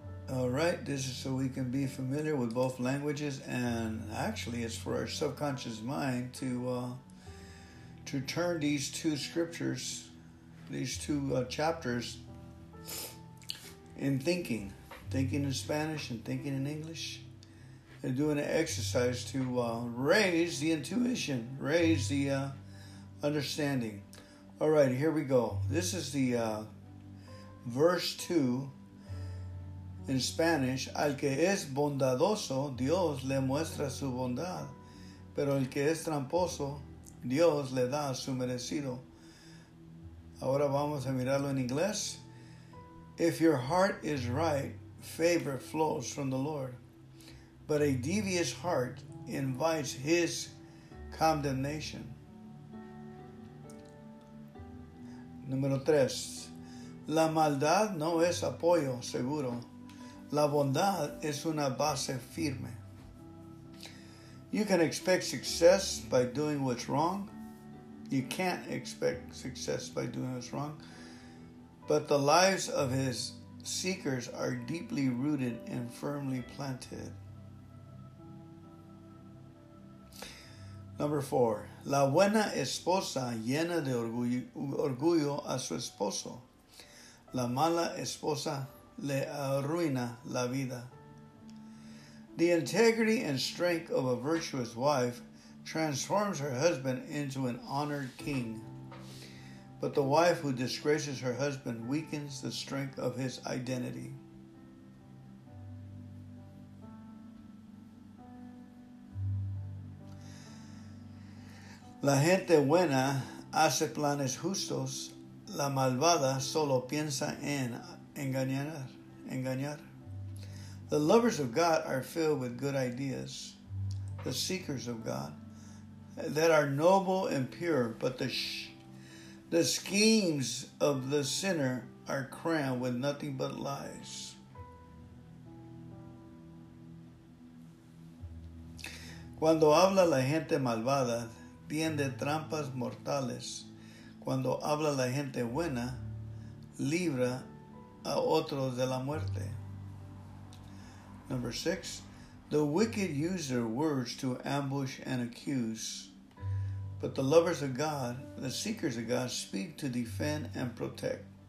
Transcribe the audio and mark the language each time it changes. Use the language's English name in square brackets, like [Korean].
[English] All right, this is so we can be familiar with both languages, and actually it's for our subconscious mind to turn these two scriptures, these two chapters, in thinking in Spanish and thinking in English. They're doing an exercise to raise the intuition, raise the understanding. All right, here we go. This is the verse 2 in Spanish. [Spanish] Al que es bondadoso, Dios le muestra su bondad. Pero el que es tramposo, Dios le da su merecido. Ahora vamos a mirarlo en inglés. [English] If your heart is right, favor flows from the Lord. But a devious heart invites his condemnation. [Spanish] Número tres. La maldad no es apoyo seguro. La bondad es una base firme. [English] You can expect success by doing what's wrong. You can't expect success by doing what's wrong. But the lives of his seekers are deeply rooted and firmly planted. Number four. [Spanish] La buena esposa llena de orgullo a su esposo. La mala esposa le arruina la vida. [English] The integrity and strength of a virtuous wife transforms her husband into an honored king. But the wife who disgraces her husband weakens the strength of his identity. [Spanish] La gente buena hace planes justos. La malvada solo piensa en engañar. [English] The lovers of God are filled with good ideas. The seekers of God that are noble and pure, but the schemes of the sinner are crammed with nothing but lies. [Spanish] Cuando habla la gente malvada, tiende trampas mortales. Cuando habla la gente buena, libra a otros de la muerte. [English] Number six, the wicked use their words to ambush and accuse. But the lovers of God, the seekers of God, speak to defend and protect.